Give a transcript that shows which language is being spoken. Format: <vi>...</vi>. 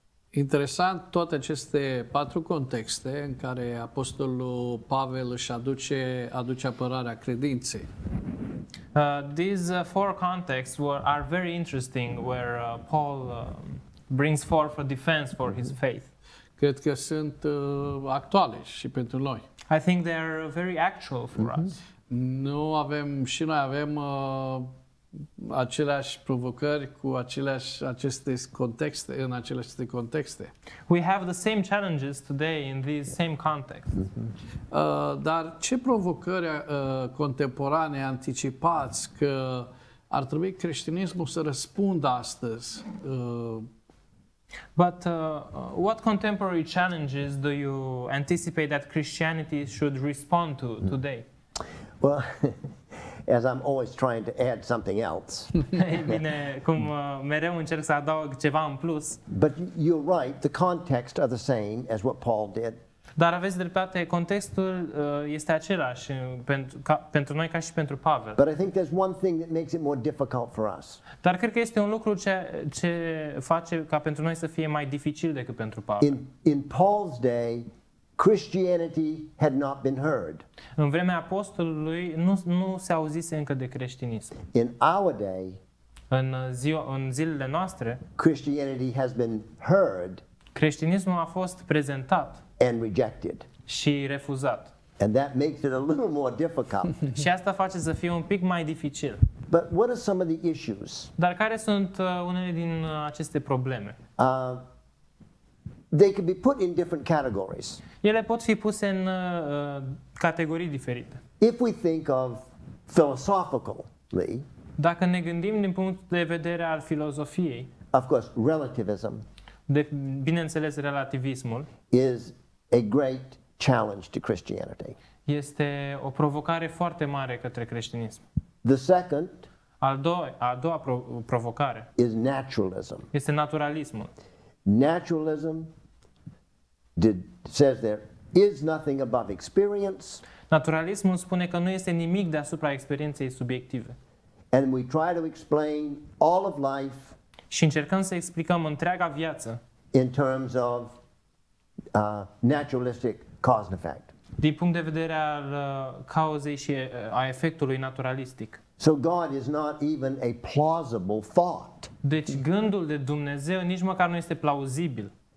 <ro>Interesant toate aceste patru contexte în care apostolul Pavel își aduce apărarea credinței.</ro> <en>These four contexts are very interesting where Paul brings forth a defense for his faith.</en> <ro>Cred că sunt actuale și pentru noi.</ro> <en>I think they are very actual for mm-hmm. us.</en> <ro>Nu avem și noi avem aceleași provocări cu aceste contexte.</ro> <en>We have the same challenges today in these same contexts. Mm-hmm.</en> <ro>Dar ce provocări contemporane anticipați că ar trebui creștinismul să răspundă astăzi?</ro> <en>But what contemporary challenges do you anticipate that Christianity should respond to today? Well, as I'm always trying to add something else.</en> <ro>Bine, cum mereu încerc să adaug ceva în plus.</ro> <en>But you're right, the context are the same as what Paul did.</en> <ro>Dar aveți dreptate, contextul este același pentru noi ca și pentru Pavel.</ro> <en>But I think there's one thing that makes it more difficult for us.</en> <ro>Dar cred că este un lucru ce face ca pentru noi să fie mai dificil decât pentru Pavel.</ro> <en>In Paul's day, Christianity had not been heard.</en> <ro>În vremea apostolului nu se auzise încă de creștinism.</ro> <en>In our day,</en> <ro>în zilele noastre,</ro> <en>Christianity has been heard.</en> <ro>Creștinismul a fost prezentat</ro> <en>and rejected.</en> <ro>Și refuzat.</ro> <en>And that makes it a little more difficult.</en> <ro>Și asta face să fie un pic mai dificil.</ro> <en>But what are some of the issues?</en> <ro>Dar care sunt unele din aceste probleme?</ro> <en>They can be put in different categories.</en> <ro>Ele pot fi puse în categorii diferite.</ro> <en>If we think of philosophically,</en> <ro>dacă ne gândim din punct de vedere al filozofiei,</ro> <en>of course, relativism,</en> <ro>bineînțeles relativismul,</ro> <en>is a great challenge to Christianity.</en> <ro>Este o provocare foarte mare către creștinism.</ro> <en>The second,</en> <ro>a doua provocare,</ro> <en>is naturalism.</en> <ro>Este naturalismul.</ro> <en>Naturalism says there is nothing above experience.</en> <ro>Naturalismul spune că nu este nimic deasupra experienței subiective.</ro> <en>And we try to explain all of life.</en> <ro>Și încercăm să explicăm întreaga viață.</ro> <en>In terms of naturalistic cause and effect.</en> <ro>Din punct de vedere al cauzei și a efectului naturalistic.</ro> <en>So God is not even a plausible thought.</en> <ro>Deci gândul de Dumnezeu nici măcar nu este plauzibil.</ro>